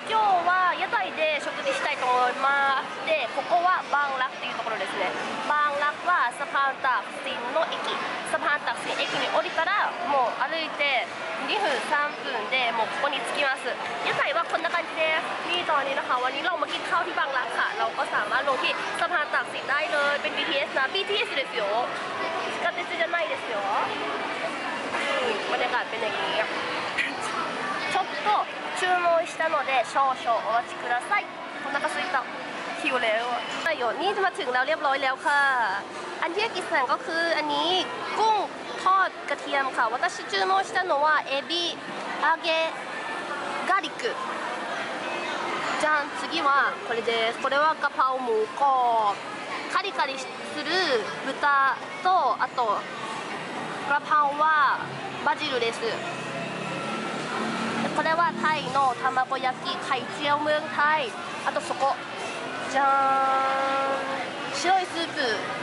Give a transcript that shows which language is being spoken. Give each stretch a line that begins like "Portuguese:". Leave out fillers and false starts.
Japanese: 今日は屋台で食事したいと思います。で、ここはバンラクというところですね。バンラクはサパンタクシンの駅、サパンタクシン駅に降りたらもう歩いて2分3分でもうここに着きます。屋台はこんな感じです。
Thai: นี่ตอนนี้นะคะวันนี้เรามากินข้าวที่บางรักค่ะเราก็สามารถลงที่สะพานตากสินได้เลยเป็น BTS นะ BTS
Japanese: ですよ地下鉄じゃないですよ。
Thai: บรรยากาศเป็นอย่างนี้
Japanese: ちょっと注文したので少々お待ちください。お腹すいた。
Thai: หิวแล้วนี่อยู่นี่มาถึงแล้วเรียบร้อยแล้วค่ะอันที่กิสั่งก็คืออันนี้กุ้งทอดกระเทียมค่ะ
Japanese: 私注文したのはエビ揚げガーリックじゃん。次はこれです。これはガパオモーコーカリカリする豚とあとガパオはバジルです。これはタイの卵焼き海鮮ムーンタイ。あとそこじゃん白いスープ。